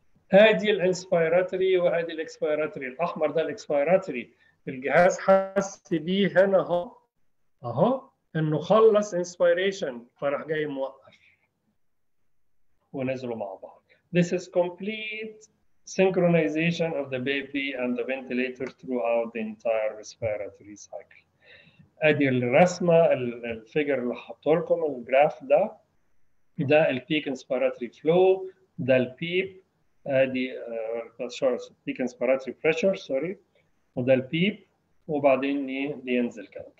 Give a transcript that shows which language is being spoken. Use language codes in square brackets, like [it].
[ar] هذه الانسبيراتري وهذه الاكسبيراتري، الاحمر ده الاكسبيراتري الجهاز حس بيه هنا اهو اهو انه خلص انسبيريشن فراح جاي موقف ونزلوا مع بعض. [en] This is complete synchronization of the baby and the ventilator throughout the entire respiratory cycle. [ar] ادي الرسمه الفيجر اللي حاطه لكم الجراف ده، ده البيك انسبيراتوري فلو، ده البيب، ادي البيك انسبيراتوري بريشر سوري، وده البيب، وبعدين بينزل كده.